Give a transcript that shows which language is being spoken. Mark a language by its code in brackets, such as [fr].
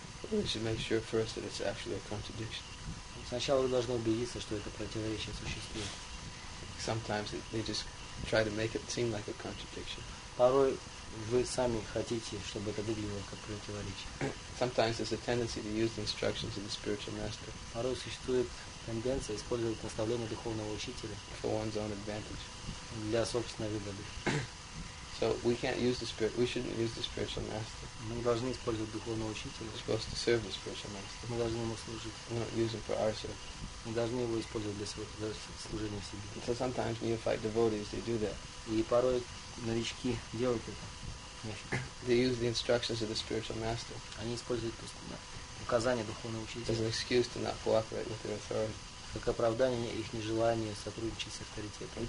[en] We should make sure first that it's actually a contradiction. [ru] Сначала вы должны убедиться, что это противоречие существует. [en] Sometimes they just try to make it seem like a contradiction. [ru] Порой вы сами хотите, чтобы это выглядело как противоречие. [en] Sometimes there's a tendency to use the instructions of the spiritual master. [ru] Порой существует тенденция использовать наставления духовного учителя. [en] For one's own advantage. [ru] Для собственной выгоды. [en] So we can't use the spirit. We shouldn't use the spiritual master. [ru] Мы должны использовать духовного учителя. [en] We're supposed to serve the spiritual master. [ru] Мы должны ему служить. [en] We're not using for our service. [ru] Мы должны его использовать для своего служения себе. [en] So sometimes neophyte devotees they do that. [ru] И порой новички делают это. [en] They use the instructions of the spiritual master. [ru] Они используют указания духовного учителя. [en] As an excuse to not cooperate with their authority. [ru] Как оправдание их нежелания сотрудничать с авторитетом.